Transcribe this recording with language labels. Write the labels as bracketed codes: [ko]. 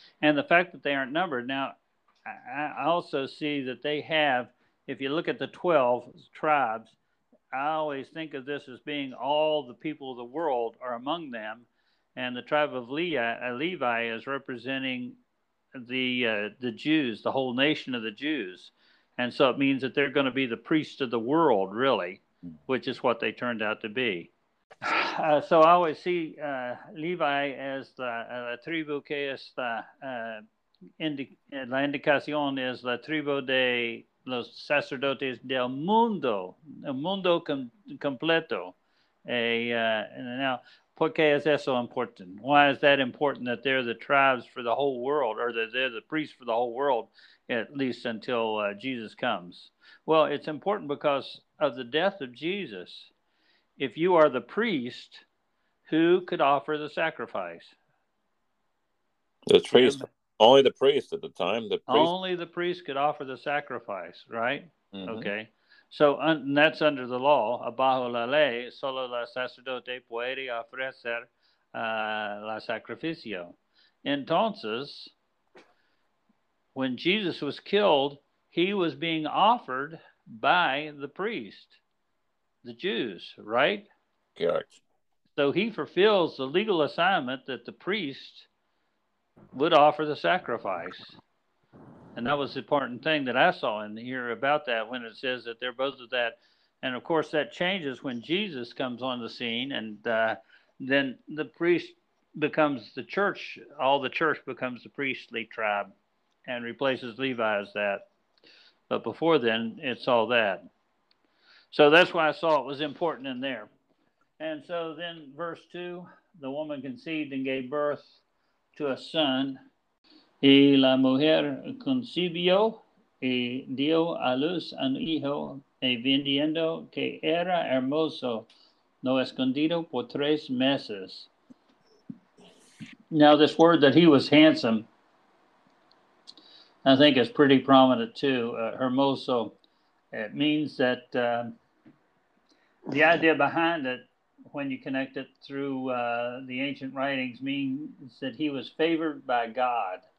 [en] And the fact that they aren't numbered. Now, I also see that they have, if you look at the 12 tribes, I always think of this as being all the people of the world are among them. And the tribe of Levi is representing the Jews, the whole nation of the Jews. And so it means that they're going to be the priests of the world, really, which is what they turned out to be. So I always see Levi as [es] la tribu que es la indicación es la tribu de los sacerdotes del mundo, el mundo completo. Now, ¿por qué es eso [en] important? Why is that important that they're the tribes for the whole world, or that they're the priests for the whole world, at least until Jesus comes? Well, it's important because of the death of Jesus. If you are the priest, who could offer the sacrifice? The the priest, and only the priest at the time. The priest. Only the priest could offer the sacrifice, right? Mm-hmm. Okay. So and that's under the law. [es] Abajo la ley, solo la sacerdote puede ofrecer la sacrificio. Entonces, [en] when Jesus was killed, he was being offered by the priest, the Jews, right? Correct. So he fulfills the legal assignment that the priest would offer the sacrifice. And that was the important thing that I saw in here about that, when it says that they're both of that. And of course, that changes when Jesus comes on the scene, and then the priest becomes the church. All the church becomes the priestly tribe and replaces Levi as that. But before then, it's all that. So that's why I saw it was important in there. And so then verse 2, the woman conceived and gave birth to a son. [es] Y la mujer concibió y dio a luz un hijo, y viendo que era hermoso, no escondido por tres meses. [en] Now this word that he was handsome, I think is pretty prominent too, hermoso. It means that the idea behind it, when you connect it through the ancient writings, means that he was favored by God.